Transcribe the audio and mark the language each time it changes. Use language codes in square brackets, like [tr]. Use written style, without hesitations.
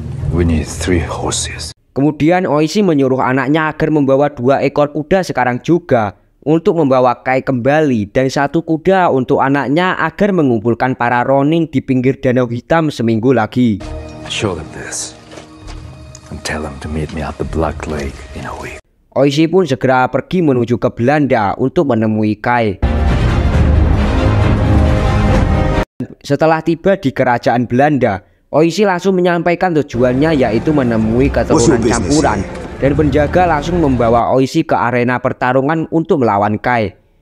[en] We need 3 horses. [id] Kemudian Oishi menyuruh anaknya agar membawa 2 ekor kuda sekarang juga untuk membawa Kai kembali dan 1 kuda untuk anaknya agar mengumpulkan para Ronin di pinggir Danau Hitam seminggu lagi. [en] Show them this. And tell him to meet me at the Black Lake in a week. [id] Oishi pun segera pergi menuju ke Belanda untuk menemui Kai. Setelah tiba di kerajaan Belanda, Oishi langsung menyampaikan tujuannya yaitu menemui keturunan campuran. Dan penjaga langsung membawa Oishi ke arena pertarungan untuk melawan Kai.